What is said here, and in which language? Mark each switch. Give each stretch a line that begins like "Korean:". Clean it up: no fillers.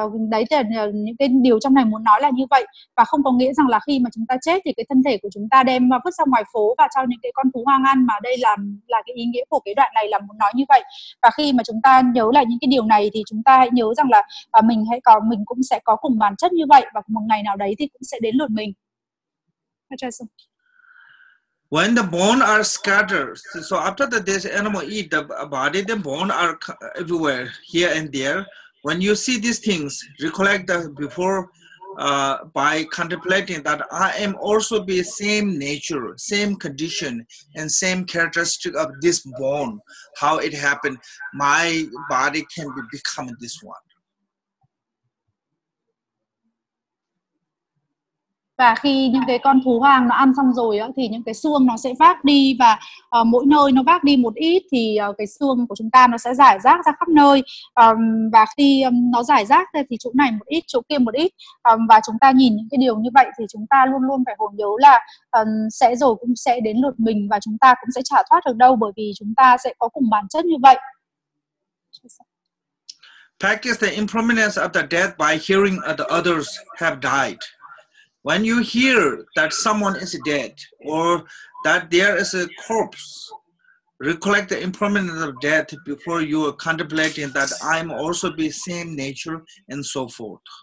Vietnamese: Đấy là những cái điều trong này muốn nói là như vậy, và không có nghĩa rằng là khi mà chúng ta chết thì cái thân thể của chúng ta đem vứt ra ngoài phố và cho những cái con thú hoang ăn, mà đây là cái ý nghĩa của cái đoạn này là muốn nói như vậy. Và khi mà chúng ta nhớ lại những cái điều này thì chúng ta hãy nhớ rằng là mình hãy có, mình cũng sẽ có cùng bản chất như vậy, và một ngày nào đấy thì cũng sẽ đến lượt mình.
English: When the bones are scattered, so after that this animal eat the body, the bones are everywhere, here and there. When you see these things, recollect that before by contemplating that I am also be same nature, same condition, and same characteristic of this bone, how it happened, my body can be become this one.
Vietnamese: Và khi những cái con thú hoang nó ăn xong rồi á, thì những cái xương nó sẽ vác đi, và mỗi nơi nó vác đi một ít thì cái xương của chúng ta nó sẽ rải rác ra khắp nơi. Và khi nó rải rác ra thì chỗ này một ít, chỗ kia một ít. Và chúng ta nhìn những cái điều như vậy thì chúng ta luôn luôn phải hồn nhớ là sẽ rồi cũng sẽ đến lượt mình, và chúng ta cũng sẽ chả thoát được đâu, bởi vì chúng ta sẽ có cùng bản chất như vậy.
English: Practice the impermanence of the death by hearing that others have died. When you hear that someone is dead or that there is a corpse, recollect the impermanence of death before you are contemplating that I'm also be same nature and so forth.